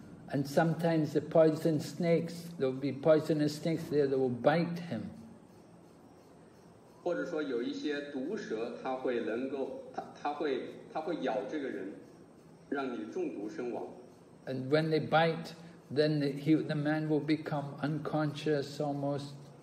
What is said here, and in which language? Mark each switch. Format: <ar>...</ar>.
<en>And sometimes the poison snakes, there will be poisonous snakes there that will bite him.</en> <zh>或者说有一些毒蛇 它会咬这个人 让你中毒身亡</zh> <en>And when they bite, then the man will become unconscious almost.</en>